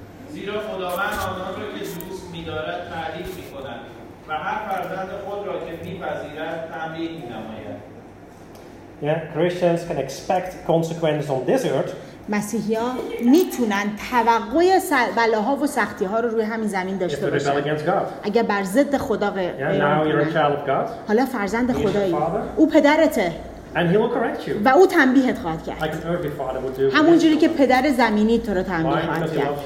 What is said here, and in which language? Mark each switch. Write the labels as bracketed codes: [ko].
[fa] زیرا خداوند آنها را که دوست می‌دارد تعریف می‌کند. و هر فرزند خود را که می‌پذیرد تعمیر می‌نماید. [en] Yeah, Christians can expect consequences on this earth. [fa] مسیحی‌ها میتونن توقع بلاها و سختی‌ها رو روی همین زمین داشته باشن. اگر بر ضد خدا قیام کنن. حالا فرزند خدایی. او پدرته. [en] And he will correct you. [fa] و او تنبیهت خواهد کرد. [en] Like an earthly father would do. [fa] همون جوری که پدر زمینی تو رو تنبیه خواهد کرد.